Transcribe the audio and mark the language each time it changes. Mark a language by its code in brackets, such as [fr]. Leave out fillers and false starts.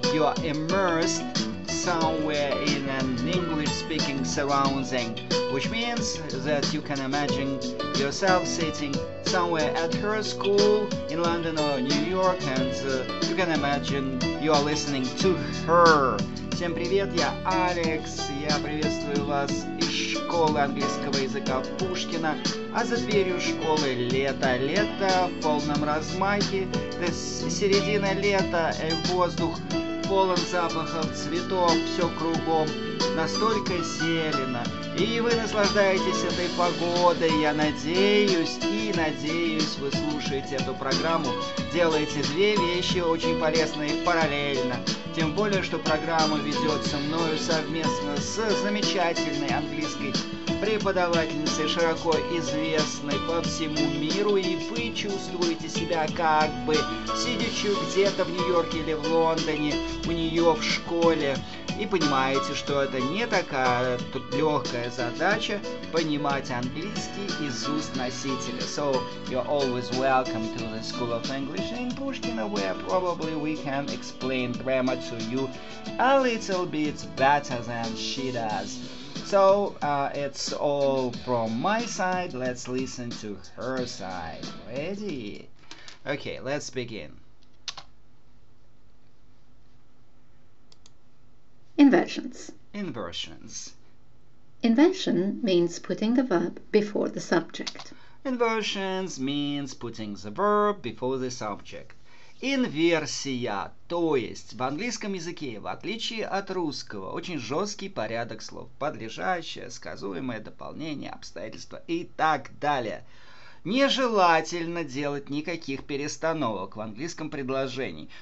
[en] You are immersed somewhere in an English speaking surrounding, which means that you can imagine yourself sitting somewhere at her school in London or New York, and you can imagine you are listening to her. [ru] Всем привет, я Алекс, я приветствую вас из школы английского языка Пушкина, а за дверью школы лето в полном размахе, это середина лета, и воздух полон запахов цветов, все кругом настолько зелено. И вы наслаждаетесь этой погодой, я надеюсь, вы слушаете эту программу, делаете две вещи очень полезные параллельно. Тем более, что программа ведется мною совместно с замечательной английской преподавательницей, широко известной по всему миру, и вы чувствуете себя как бы сидячи где-то в Нью-Йорке или в Лондоне, у нее в школе. И понимаете, что это не такая легкая задача понимать английский из уст носителя. [en] So, you're always welcome to the School of English in Pushkina, where probably we can explain grammar to you a little bit better than she does. So, it's all from my side. Let's listen to her side. Ready? Okay, let's begin. Inversions. Inversion means putting the verb before the subject. Inversions means putting the verb before the subject. [ru] Инверсия, то есть в английском языке, в отличие от русского, очень жесткий порядок слов, подлежащее, сказуемое, дополнение, обстоятельства и так далее. Нежелательно делать никаких перестановок в английском предложении.